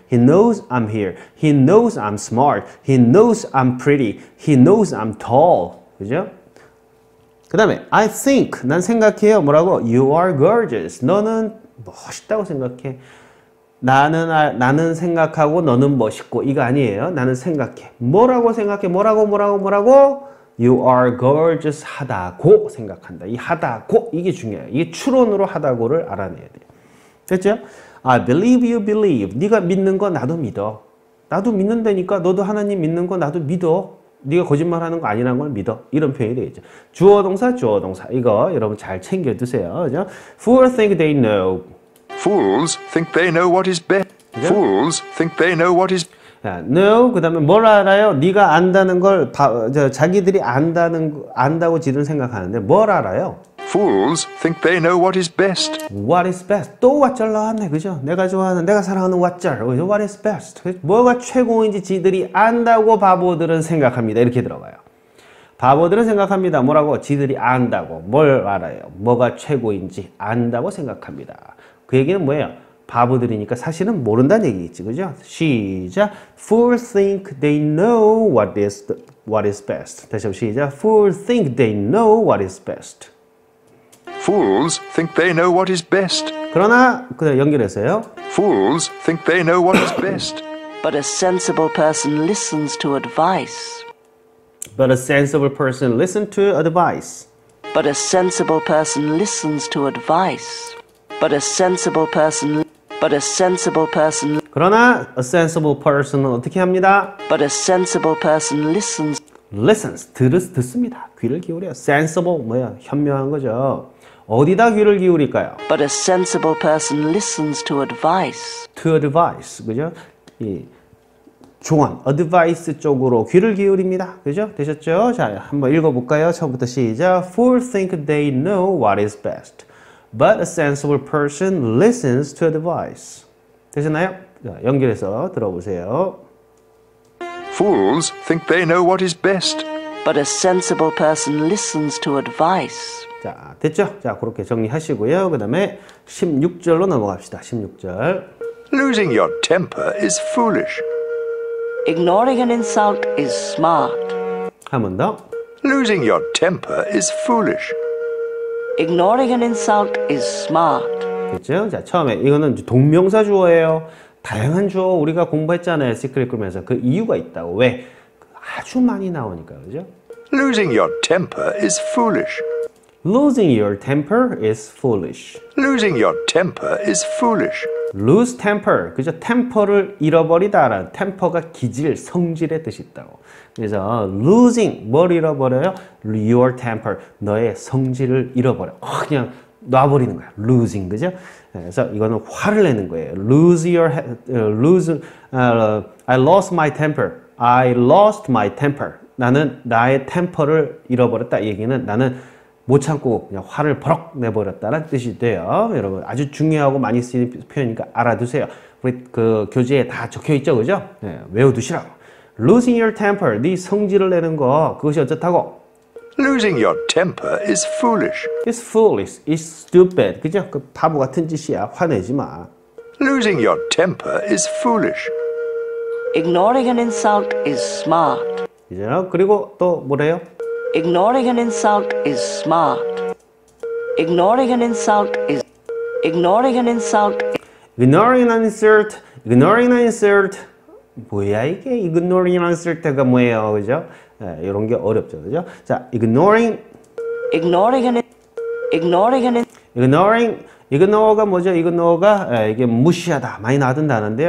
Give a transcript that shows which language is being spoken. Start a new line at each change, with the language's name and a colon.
English: He knows I'm here. He knows I'm smart. He knows I'm pretty. He knows I'm tall.
Korean: 그죠? 그 다음에
English: I think.
Korean: 난 생각해요. 뭐라고?
English: You are gorgeous.
Korean: 너는 멋있다고 생각해. 나는 생각하고 너는 멋있고 이거 아니에요. 나는 생각해. 뭐라고 생각해? 뭐라고?
English: You are gorgeous
Korean: 하다고 생각한다. 이 하다고 이게 중요해요. 이게 추론으로 하다고를 알아내야 돼요. 됐죠?
English: I believe you believe.
Korean: 네가 믿는 거 나도 믿어. 나도 믿는다니까. 너도 하나님 믿는 거 나도 믿어. 네가 거짓말하는 거 아니라는 걸 믿어. 이런 표현이 되겠죠. 주어동사, 주어동사. 이거 여러분 잘 챙겨두세요. 그죠?
English: Fools think they know. Fools think they know what is best. Fools think they know what is. No.
Korean: 그다음에 뭘 알아요? 네가 안다는 걸 자기들이 안다고 지들은 생각하는데 뭘 알아요?
English: Fools think they know what is best. What is best?
Korean: 또 what절 나왔네, 그죠? 내가 좋아하는, 내가 사랑하는 what절.
English: What is best?
Korean: 뭐가 최고인지 지들이 안다고 바보들은 생각합니다. 이렇게 들어가요. 바보들은 생각합니다. 뭐라고? 지들이 안다고 뭘 알아요? 뭐가 최고인지 안다고 생각합니다. 그 얘기는 뭐예요? 바보들이니까 사실은 모른다는 얘기겠지, 그죠? 시작!
English: Fools think they know what is best.
Korean: 다시 한번 시작!
English: Fools think they know what is best. Fools think they know what is best.
Korean: 그러나, 그냥 연결해서요.
English: Fools think they know what is best. But a sensible person listens to advice. But a sensible person listens to advice. But a sensible person listens to advice. But a sensible person. But a sensible person.
Korean: 그러나
English: a sensible person
Korean: 은 어떻게 합니다? But a sensible person listens. Listens. 듣습니다. 귀를 기울여. Sensible 뭐야? 현명한 거죠. 어디다 귀를 기울일까요?
English: But a sensible person listens to advice. To advice.
Korean: 그죠? 이 조언, advice 쪽으로 귀를 기울입니다. 그죠? 되셨죠? 자, 한번 읽어볼까요? 처음부터 시작.
English: Fools think they know what is best. But a sensible person listens to advice.
Korean: 되셨나요? 자, 연결해서 들어보세요.
English: Fools think they know what is best. But a sensible person listens to advice.
Korean: 자, 됐죠? 자, 그렇게 정리하시고요. 그 다음에 16절로 넘어갑시다. 16절.
English: Losing your temper is foolish. Ignoring an insult is smart.
Korean: 한 번 더.
English: Losing your temper is foolish. Ignoring an insult is smart.
Korean: 그렇죠? 자, 처음에 이거는 동명사 주어예요. 다양한 주어 우리가 공부했잖아요. 시크릿 그룹에서 그 이유가 있다고. 왜? 아주 많이 나오니까. 그죠?
English: Losing your temper is foolish. Losing your temper is foolish. Losing your temper is foolish. Lose temper.
Korean: 그죠? 템퍼를 잃어버리다라는 템퍼가 기질, 성질의 뜻이 있다고. 그래서 losing 뭘 잃어버려요?
English: Your temper.
Korean: 너의 성질을 잃어버려. 그냥 놔버리는 거야. Losing. 그죠? 그래서 이거는 화를 내는 거예요.
English: Lose your lose I lost my temper. I lost my temper.
Korean: 나는 나의 템퍼를 잃어버렸다. 이 얘기는 나는 못 참고 그냥 화를 버럭 내버렸다는 뜻이 돼요. 여러분 아주 중요하고 많이 쓰이는 표현이니까 알아두세요. 우리 그 교재에 다 적혀 있죠, 그죠? 네, 외워두시라고. Losing your temper, 네 성질을 내는 거 그것이 어떻다고?
English: Losing your temper is foolish. It's foolish. It's stupid.
Korean: 그죠? 그 바보 같은 짓이야. 화내지 마.
English: Losing your temper is foolish. Ignoring an insult is smart.
Korean: 그죠? 그리고 또 뭐래요?
English: Ignoring an insult is smart. Ignoring an insult is ignoring an insult. Ignoring an insult. Ignoring an insult.
Korean: 뭐야 이게 ignoring이라는 쓸데가 뭐예요, 그죠? 예, 이런 게 어렵죠, 그죠? 자, ignoring,
English: ignoring, ignoring,
Korean: ignoring, ignore가 뭐죠? ignore가 예, 이게 무시하다 많이 나든다는데요.